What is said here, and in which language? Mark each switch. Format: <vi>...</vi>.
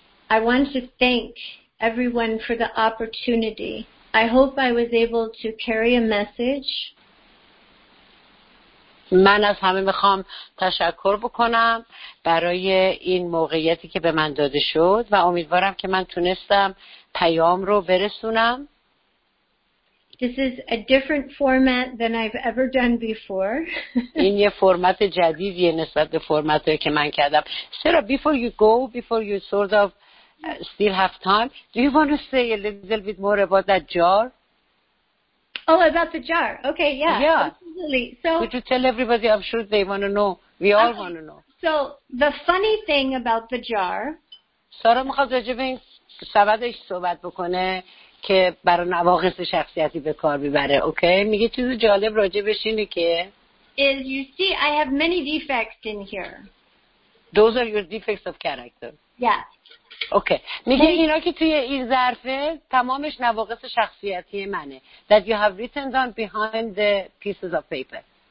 <en>I want to thank everyone for the opportunity. I hope I was able to carry a message.</en> <fa>من از همه میخوام تشکر بکنم برای این موقعیتی که به من داده شد و امیدوارم که من تونستم پیام رو برسونم.</fa> <en>This is a different format than I've ever done before.</en> <fa>این یه فرمت جدیدیه نسبت به فرمتی که من کردم.</fa> <en>Sarah, before you sort of still have time, do you want to say a little bit more about that jar? Oh, about the jar. Okay, yeah. Absolutely. So, could you tell everybody? I'm sure they want to know. We all want to know. So, the funny thing about the jar.</en> <fa>سارم خواهد جبین سوادش صحبت بکنه که برای نواقص شخصیتی به کار ببره.</fa> <en>Okay.</en> <fa>میگه چیز جالب راجع بهش اینه که.</fa> <en>Is you see, I have many defects in here. Those are your defects of character. Yeah.</en> <fa>اوکی. میگه اینا که توی این ظرفه تمامش نواقص شخصیتی منه.</fa> <en>That you have written down behind the pieces of paper.</en>